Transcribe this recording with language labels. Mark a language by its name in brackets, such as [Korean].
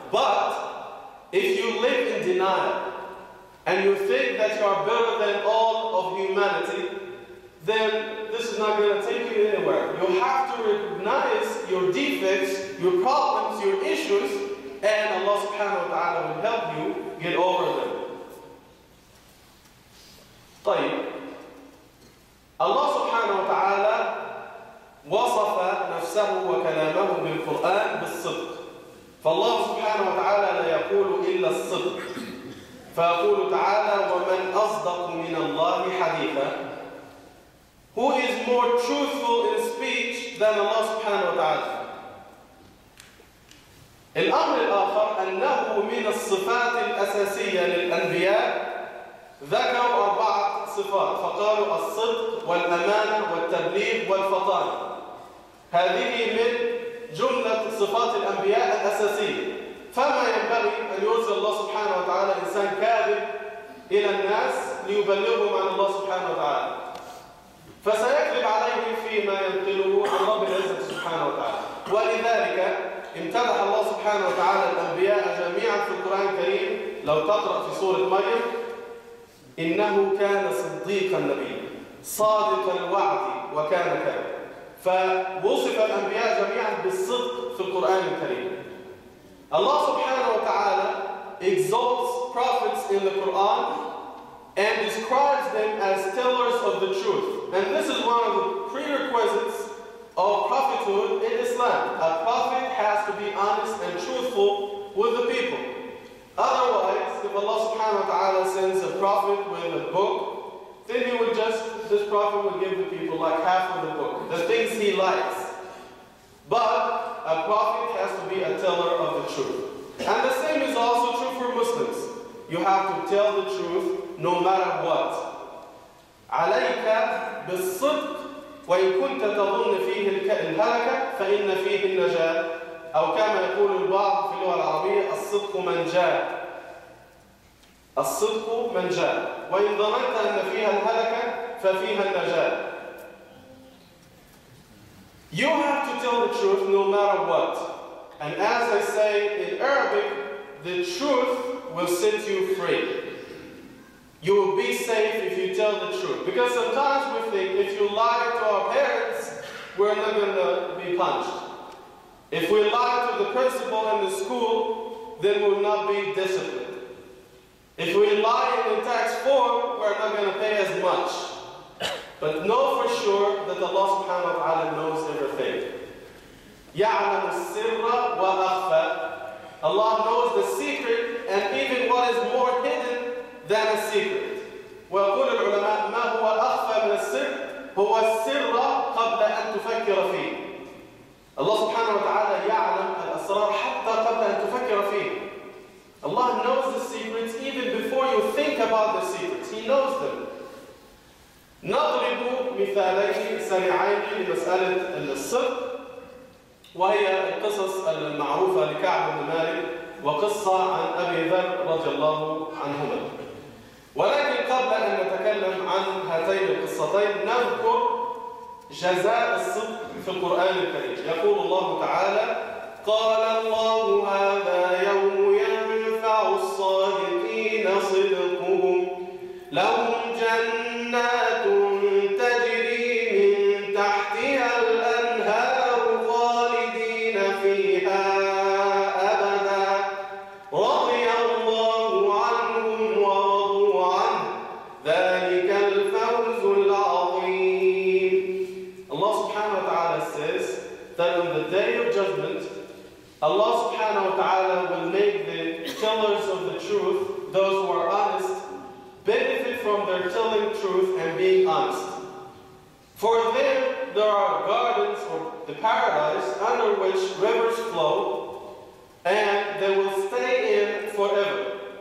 [English] But if you live in denial and you think that you are better than all of humanity, then this is not going to take you anywhere. You have to recognize your defects, your problems, your issues, and Allah subhanahu wa ta'ala will help you get over them. [Arabic] طيب. [English] Allah subhanahu wa ta'ala [Arabic] وصف نفسه وكلامه بالقرآن بالصدق. فالله سبحانه وتعالى لا يقول إلا الصدق. فيقول تعالى ومن أصدق من الله حديثا. [English] Who is more truthful in speech than Allah subhanahu wa ta'ala? [Arabic] الأمر الآخر أنه من الصفات الأساسية للأنبياء ذكروا أربعة صفات، فقالوا الصدق والأمانة والتبليغ والفطانة. هذه من جملة صفات الأنبياء الأساسية. فما ينبغي أن يرسل الله سبحانه وتعالى إنسان كاذب إلى الناس ليبلغهم عن الله سبحانه وتعالى، فسيكذب عليه فيما ينقله عن رب العزة سبحانه وتعالى. ولذلك امتدح الله سبحانه وتعالى الأنبياء جميعا في القرآن الكريم. لو تقرأ في سورة مريم، إنه كان صديقا نبيا صادق الوعد وكان كذب. فوصف الأنبياء جميعا بالصدق في القرآن الكريم. الله سبحانه وتعالى [English] exalts prophets in the Quran and describes them as tellers of the truth. And this is one of the prerequisites of prophethood in Islam. A prophet has to be honest and truthful with the people. Otherwise, if Allah subhanahu wa ta'ala sends a prophet with a book, then he would just, this prophet would give the people like half of the book, the things he likes. But a prophet has to be a teller of the truth. And the same is also true for Muslims. You have to tell the truth no matter what. [Arabic] عليك بالصدق وإن كنت تظن فيه الهلكة فإن فيه النجاة، أو كما يقول البعض في اللغة العربية الصدق من جاء، الصدق من جاء، وإن ظننت أن فيها الهلكة ففيها النجاة. [English] You have to tell the truth no matter what. And as I say in Arabic, the truth will set you free. You will be safe if you tell the truth. Because sometimes we think if you lie to our parents, we're not going to be punished. If we lie to the principal in the school, then we'll not be disciplined. If we lie in tax form, we're not going to pay as much. But know for sure that Allah subhanahu wa ta'ala knows everything. [Arabic] يَعْلَمُ السِّرَّ وَأَخْفَى. [English] Allah knows the secret and even what is more hidden than a secret. [Arabic] وَقُلِ الْعُلَمَاءُ مَا هُوَ أَخْفَى مِنَ السِّرِّ هُوَ السِّرَّ قَبْلَ أَن تُفَكِّرَ فِيهِ. [English] Allah subhanahu wa ta'ala [Arabic] يَعْلَمْ الْأَسْرَارَ حَتَّى قَبْلَ أَن تُفَكِّرَ فِيهِ. [English] Allah knows the secrets even before you think about the secrets. He knows them. [Arabic] نضرب مثالين سريعين لمسألة السر وهي القصص المعروفة لكعب بن مالك وقصة عن أبي ذر رضي الله عنهما. ولكن قبل أن نتكلم عن هاتين القصتين نذكر جزاء الصدق في القرآن الكريم. يقول الله تعالى: قال الله هذا يوم ينفع الصادقين صدقهم لهم جنات تجري من تحتها الأنهار خالدين فيها أبدا رضي الله عنهم ورضوا عنه ذلك الفوز العظيم. [English] Allah subhanahu wa ta'ala says that on the day of judgment, Allah subhanahu wa ta'ala will make the tellers of the truth, those who are honest, benefit from their telling truth and being honest. For them, there are gardens or the paradise under which rivers flow, and they will stay in forever.